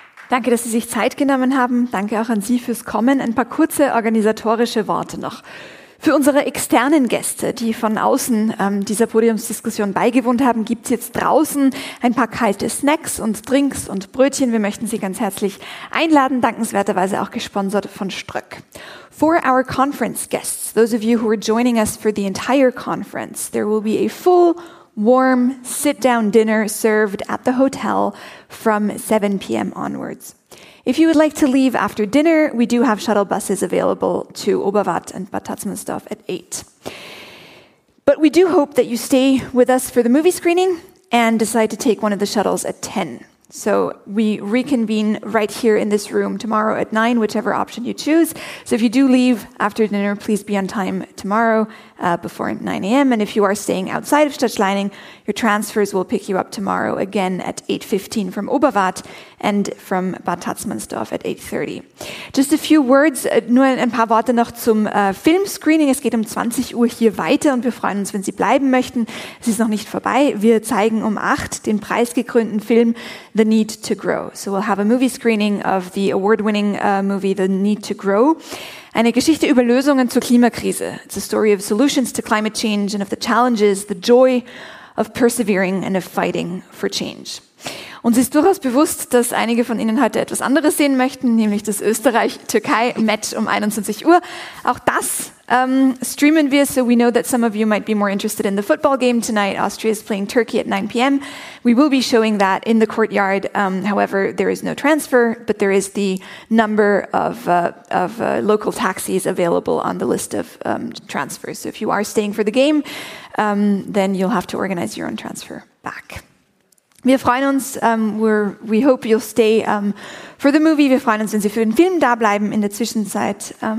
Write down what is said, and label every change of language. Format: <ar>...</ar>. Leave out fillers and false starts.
<de>Danke, dass Sie sich Zeit genommen haben. Danke auch an Sie fürs Kommen. Ein paar kurze organisatorische Worte noch. Für unsere externen Gäste, die von außen dieser Podiumsdiskussion beigewohnt haben, gibt es jetzt draußen ein paar kalte Snacks und Drinks und Brötchen. Wir möchten Sie ganz herzlich einladen, dankenswerterweise auch gesponsert von Ströck.</de> <en>For our conference guests, those of you who are joining us for the entire conference, there will be a full, warm, sit-down dinner served at the hotel from 7 p.m. onwards. If you would like to leave after dinner, we do have shuttle buses available to Oberwart and Bad Tatzmannsdorf at 8. But we do hope that you stay with us for the movie screening and decide to take one of the shuttles at 10. So we reconvene right here in this room tomorrow at 9, whichever option you choose. So if you do leave after dinner, please be on time tomorrow before 9 a.m. And if you are staying outside of Stadtschleining, your transfers will pick you up tomorrow again at 8:15 from Oberwart and from Bad Tatzmannsdorf at 8:30. Just a few words,</en> <de>nur ein paar Worte noch zum Filmscreening. Es geht um 20 Uhr hier weiter und wir freuen uns, wenn Sie bleiben möchten. Es ist noch nicht vorbei. Wir zeigen um 8 den preisgekrönten Film The Need to Grow.</de> <en>So we'll have a movie screening of the award-winning movie The Need to Grow.</en> <de>Eine Geschichte über Lösungen zur Klimakrise.</de> <en>It's a story of solutions to climate change and of the challenges, the joy of persevering and of fighting for change.</en> <de>Uns ist durchaus bewusst, dass einige von Ihnen heute etwas anderes sehen möchten, nämlich das Österreich-Türkei-Match um 21 Uhr. Auch das streamen wir,</de> <en>so we know that some of you might be more interested in the football game tonight. Austria is playing Turkey at 9 p.m. We will be showing that in the courtyard. However, there is no transfer, but there is the number of local taxis available on the list of transfers. So if you are staying for the game, then you'll have to organize your own transfer back.</en> <de>Wir freuen uns,</de> <en>we hope you'll stay for the movie.</en> <de>Wir freuen uns, wenn Sie für den Film da bleiben in der Zwischenzeit.</de>